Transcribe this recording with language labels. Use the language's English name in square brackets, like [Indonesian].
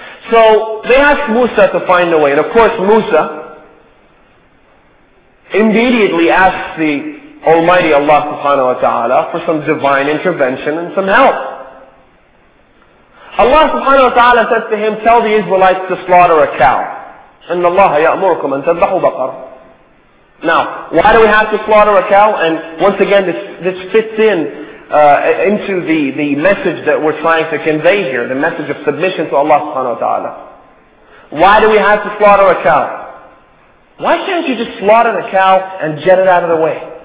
[English] So they asked Musa to find a way. And of course Musa immediately asked the Almighty Allah subhanahu wa ta'ala for some divine intervention and some help. Allah subhanahu wa ta'ala says to him, "Tell the Israelites to slaughter a cow." [Arabic] إن الله يأمركم أن تذبحوا بقرة. [English] Now, why do we have to slaughter a cow? And once again, this fits in into the message that we're trying to convey here, the message of submission to Allah subhanahu wa ta'ala. Why do we have to slaughter a cow? Why can't you just slaughter the cow and get it out of the way?